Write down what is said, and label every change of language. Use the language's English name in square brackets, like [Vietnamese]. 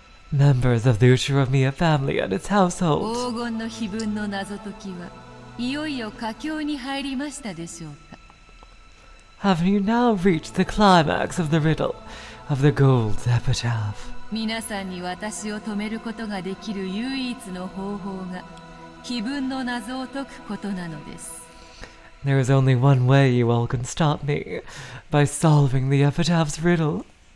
[English] Members of the Ushiromiya family and its household. Have you now reached the climax of the riddle of the gold's epitaph? [Japanese] 皆さんに私を止めることができる唯一の方法が、碑文の謎を解くことなのです。 [English] There is only one way you all can stop me, by solving the epitaph's riddle.